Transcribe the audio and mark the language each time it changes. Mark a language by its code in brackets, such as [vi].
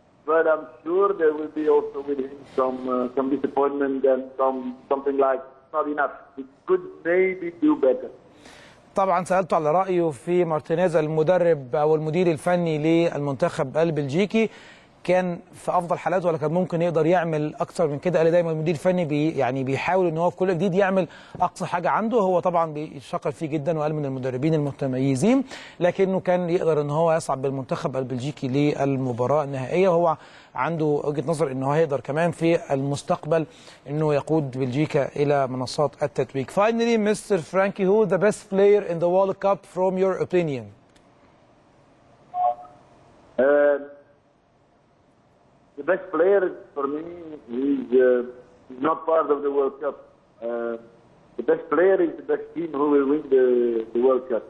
[en] But I'm sure there will be also with him some disappointment and something like, not enough. He could maybe do better. [ar] طبعا سالته على رايه في مارتينيز المدرب او المدير الفني للمنتخب البلجيكي، كان في افضل حالاته ولا كان ممكن يقدر يعمل اكثر من كده؟ قال لي دايما المدير الفني يعني بيحاول ان هو في كل جديد يعمل اقصى حاجه عنده، هو طبعا بيشكر فيه جدا وقال من المدربين المتميزين، لكنه كان يقدر ان هو يصعد بالمنتخب البلجيكي للمباراه النهائيه، وهو عنده وجهه نظر ان هو هيقدر كمان في المستقبل انه يقود بلجيكا الى منصات التتويج. [en] Finally, Mr. Frankie, who the best player in the World Cup from your opinion? The best player for me is not part of the World Cup. The best player is the best team who will win the World Cup.